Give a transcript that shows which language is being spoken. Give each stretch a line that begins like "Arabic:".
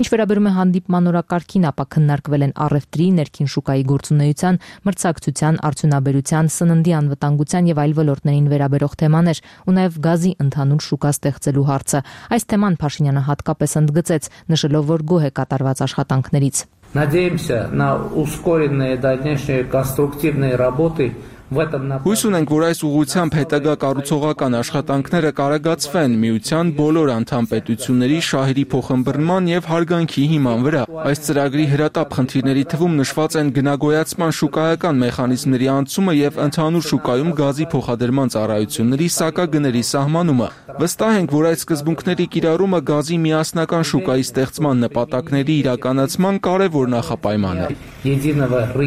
Armenian: Ինչ վերաբերում է հանդիպման օրակարգին, ապա քննարկվել են առևտրի, ներքին շուկայի գործունեության, մրցակցության, արդյունաբերության, սննդի անվտանգության և այլ ոլորտներին վերաբերող թեմաներ, ու նաև գազի ընդհանուր շուկա ստեղծելու հարցը։ Այս թեման Փաշինյանը հատկապես ընդգծեց, նշելով, որ գոհ է կատարված աշխատանքներից։
Russian: Надеемся на ускоренные дальнейшие конструктивные работы в этом направлении.
Armenian: Հույս ունենք, որ այս ուղղությամբ հետագա կառուցողական աշխատանքները կարագացվեն միության բոլոր անդամ պետությունների շահերի փոխմբռնման և հարգանքի հիման վրա։ Այս ծրագրի հրատապ խնդիրների թվում նշված են գնագոյացման շուկայական մեխանիզմների անցումը և ընդհանուր շուկայում գազի փոխադրման ծառայությունների սակագների սահմանումը։ Վստահ ենք, որ այս սկզբունքների կիրառումը գազի միասնական շուկայի ստեղծման նպատակների իրականացման կարևոր նախապայման է։